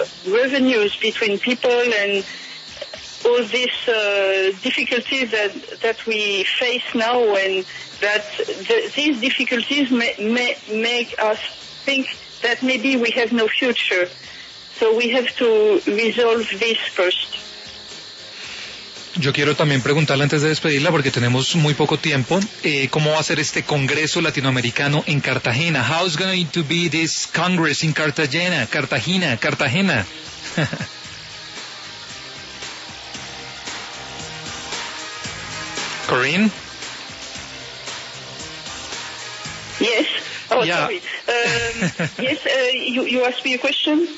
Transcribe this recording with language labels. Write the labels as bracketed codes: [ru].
[en] revenues between people and all these difficulties that we face now, and that these difficulties may make us think that maybe we have no future. So we have to resolve this first. [es] Yo quiero también preguntarle antes de despedirla, porque tenemos muy poco tiempo, ¿cómo va a ser este congreso latinoamericano en Cartagena? [en] How is going to be this congress in Cartagena? Cartagena. Corinne? Yes. You asked me a question?